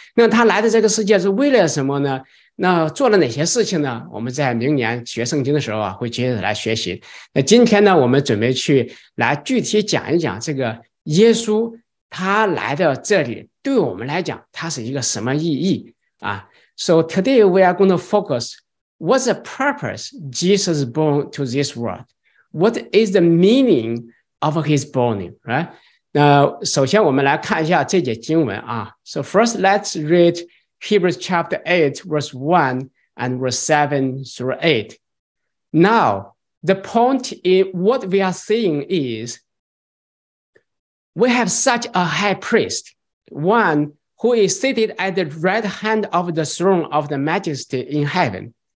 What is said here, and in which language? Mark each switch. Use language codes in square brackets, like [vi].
[zh] 那他来到这个世界是为了什么呢？那做了哪些事情呢？我们在明年学圣经的时候啊，会接着来学习。那今天呢，我们准备去来具体讲一讲这个耶稣他来到这里对我们来讲他是一个什么意义啊。 [en] So today we are going to focus what's the purpose Jesus born to this world. What is the meaning of his borning, right? [zh] 那首先我们来看一下这节经文啊。 [en] So first let's read Hebrews chapter 8 verse 1 and verse 7 through 8. Now, the point in what we are seeing is we have such a high priest, one who is seated at the right hand of the throne of the majesty in heaven.